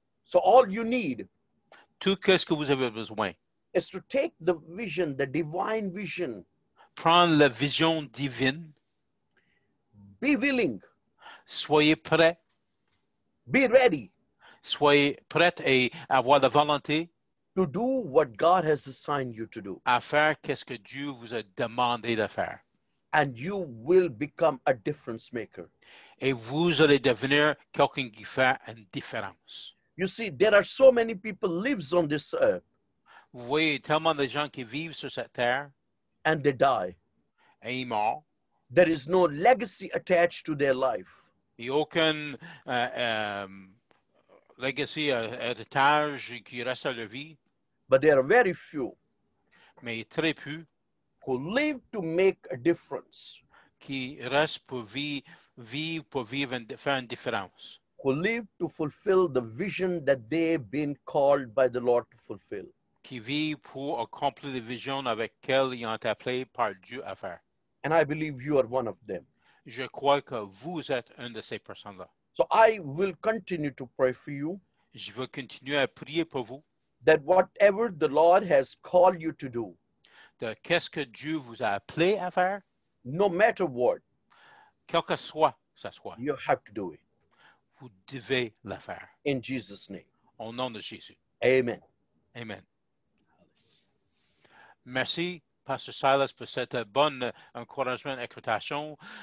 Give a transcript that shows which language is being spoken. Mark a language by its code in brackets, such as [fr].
[en] So all you need. [fr] Tout qu'est-ce que vous avez besoin. [en] Is to take the vision, the divine vision. [fr] Prendre la vision divine. [en] Be willing. [fr] Soyez prêt. [en] Be ready. [fr] Soyez prêt et avoir la volonté. [en] To do what God has assigned you to do. [fr] À faire qu'est-ce que Dieu vous a demandé de faire. [en] And you will become a difference maker. [fr] Et vous allez devenir quelqu'un qui fait une différence. [en] You see, there are so many people lives on this earth. [fr] Vous voyez tellement de gens qui vivent sur cette terre. [en] And they die. [fr] Et ils meurent. [en] There is no legacy attached to their life. [fr] Il n'y a aucun legacy, héritage qui reste à leur vie. [en] But there are very few. [fr] Mais très peu. [en] Who live to make a difference. [fr] Qui reste pour vivre et faire une différence. [en] Who live to fulfill the vision that they've been called by the Lord to fulfill. [fr] Qui vit pour accomplir la vision avec laquelle ils ont appelé par Dieu à faire. [en] And I believe you are one of them. [fr] Je crois que vous êtes une de ces personnes-là. [en] So I will continue to pray for you. [fr] Je veux continuer à prier pour vous. [en] That whatever the Lord has called you to do. [fr] De qu'est-ce que Dieu vous a appelé à faire. [en] No matter what. [fr] Quel que soit, ça soit. [en] You have to do it. [fr] Vous devez le faire. [en] In Jesus' name. [fr] Au nom de Jésus. Amen. Amen. Merci, Pasteur Silas, pour cet bon encouragement et exhortation.